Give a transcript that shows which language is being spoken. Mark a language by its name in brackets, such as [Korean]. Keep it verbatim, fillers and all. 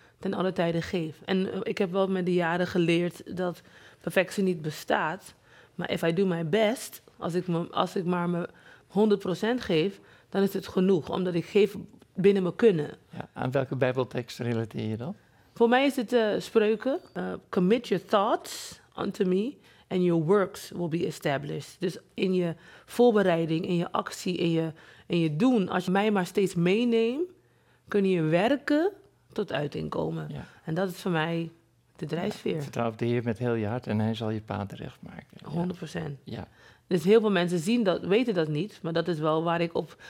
[Dutch] ten alle tijden geef. En ik heb wel met de jaren geleerd dat perfectie niet bestaat. Maar [English] if I do my best, [Dutch] als ik, me, als ik maar me honderd procent geef, dan is het genoeg. Omdat ik geef binnen mijn kunnen. Ja, aan welke bijbeltekst relateer je dat? Voor mij is het uh, spreuken. [English] Uh, commit your thoughts unto me and your works will be established. [Dutch] Dus in je voorbereiding, in je actie, in je, in je doen. Als je mij maar steeds meeneemt, kun je werken... tot uiting komen. Ja. En dat is voor mij de drijfsfeer. Ja, vertrouw op de Heer met heel je hart en hij zal je paad terecht maken. honderd procent. Ja. Dus heel veel mensen zien dat, weten dat niet, maar dat is wel waar ik op...